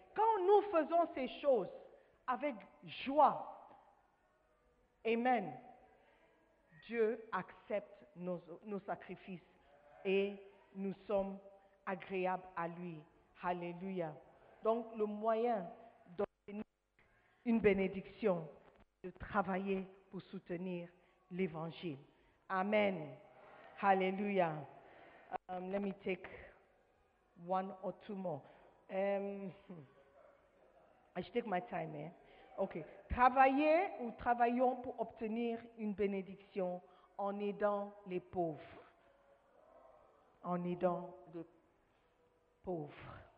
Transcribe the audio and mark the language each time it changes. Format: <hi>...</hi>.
<fr>Quand nous faisons ces choses avec joie, amen, Dieu accepte nos sacrifices et nous sommes agréables à lui. Alléluia. Donc, le moyen d'obtenir une bénédiction, de travailler pour soutenir l'évangile. Amen. Alléluia.</fr> <en>Let me take one or two more. I take my time, eh? OK.</en> <fr>Travailler ou travaillons pour obtenir une bénédiction en aidant les pauvres. En aidant les pauvres.</fr>